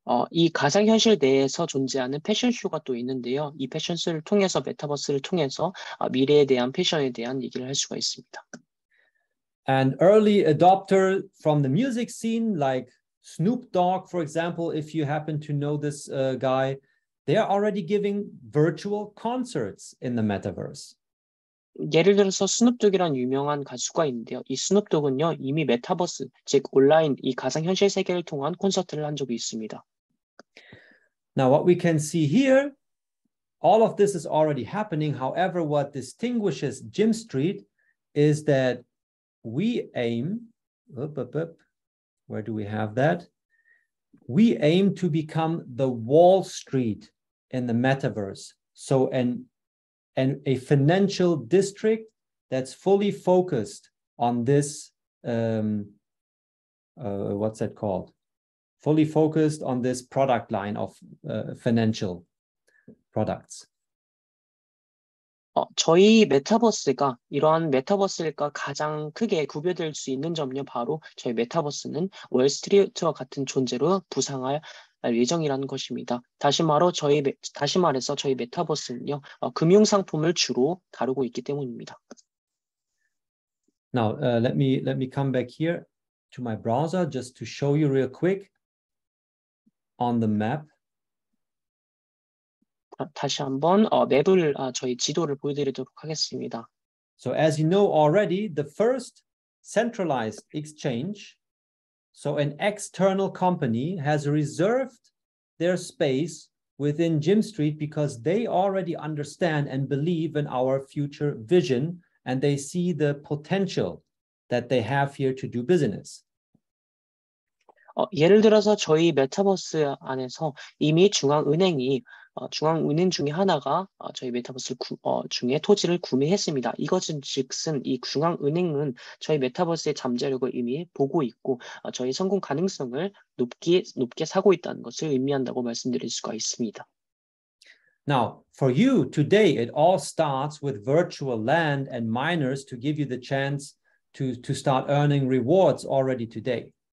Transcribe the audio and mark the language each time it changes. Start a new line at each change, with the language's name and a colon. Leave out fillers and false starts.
Korean: 이 가상현실 내에서 존재하는 패션쇼가 또 있는데요. 이 패션쇼를 통해서 메타버스를 통해서 미래에 대한 패션에 대한 얘기를 할 수가 있습니다.
English: And early adopter from the music scene, like Snoop Dogg, for example, if you happen to know this guy, they are already giving virtual concerts in the metaverse.
Korean: 예를 들어서 스눕독이란 유명한 가수가 있는데요. 이 스눕독은요, 이미 메타버스, 즉 온라인, 이 가상현실 세계를 통한 콘서트를 한 적이 있습니다.
English: Now what we can see here, all of this is already happening. However, what distinguishes Jim Street is that we aim, where do we have that? We aim to become the Wall Street in the metaverse. So and a financial district that's fully focused on this, what's that called? Fully focused on this product line of financial products.
Korean: 저희 메타버스가 이러한 메타버스가 가장 크게 구별될 수 있는 점은요, 바로 저희 메타버스는 월스트리트와 같은 존재로 부상할 예정이라는 것입니다. 다시 말해서 저희 메타버스는요, 금융 상품을 주로 다루고 있기 때문입니다.
English: Now, let me come back here to my browser just to show you real quick on the map.
Korean: 다시 한번 맵을 저희 지도를 보여드리도록 하겠습니다.
English: So as you know already, the first centralized exchange, so an external company has reserved their space within Jim Street because they already understand and believe in our future vision and they see the potential that they have here to do business.
Korean: 예를 들어서 저희 메타버스 안에서 이미 중앙은행이 중앙은행 중에 하나가 저희 메타버스 중에 토지를 구매했습니다. 이것은 즉슨 이 중앙은행은 저희 메타버스의 잠재력을 이미 보고 있고 저희 성공 가능성을 높게 사고 있다는 것을 의미한다고 말씀드릴 수가 있습니다.
English: Now, for you today, it all starts with virtual land and miners to give you the chance to start earning rewards already today.